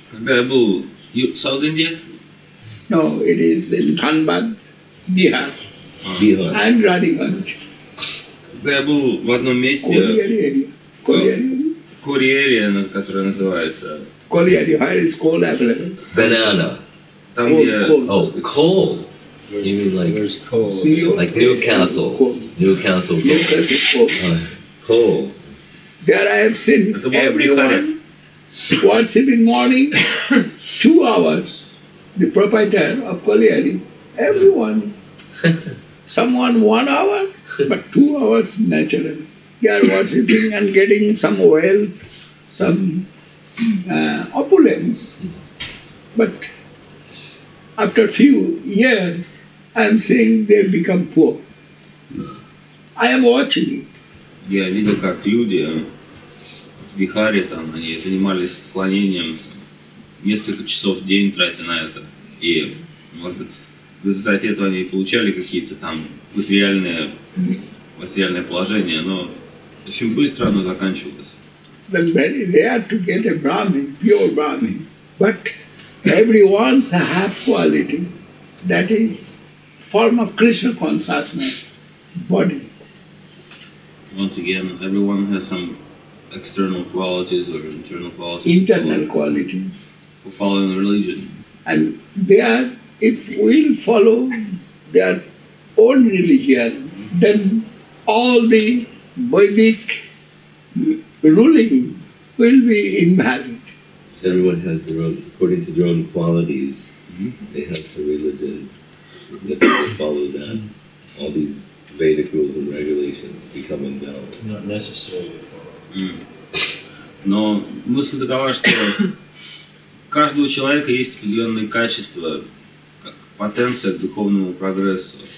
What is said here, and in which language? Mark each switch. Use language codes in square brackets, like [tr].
[ru] Когда я был в South India? [en] No, it is in Thanbad, Bihar. Bihar. And Raniganj. [ru] Когда я был в одном месте. [en] Koliari area. [ru] Koliari area, которая называется. [en] Koliari, where is coal available? Banana. [ru] Там где? [en] Oh, coal. You mean like coal. Like Newcastle. Newcastle. Newcastle coal. Coal. There I have seen everyone once in the morning, 2 hours, the proprietor of Koliari, everyone. Someone 1 hour, but 2 hours naturally. They are worshipping and getting some wealth, some opulence. But after a few years, I am seeing they have become poor. I am watching it. [ru] Я видел, как люди в Бихаре там, они занимались поклонением несколько часов в день, тратя на это. И, может быть, в результате этого они получали какие-то там материальные положения, но очень быстро оно заканчивалось. [en] Then very rare to get a Brahmin, pure Brahmin. But everyone's a half quality. That is form of Krishna consciousness, body. Once again, everyone has some external qualities or internal qualities. Internal qualities. For following the religion. And they are, if we'll follow their own religion, then all the Vedic ruling will be invalid. So everyone has their own, according to their own qualities, they have some religion. If they follow that, all these Vedic rules and regulations become invalid. Not necessarily. [ru] Но мысль такова, что у каждого человека есть определенные качества, как потенция к духовному прогрессу.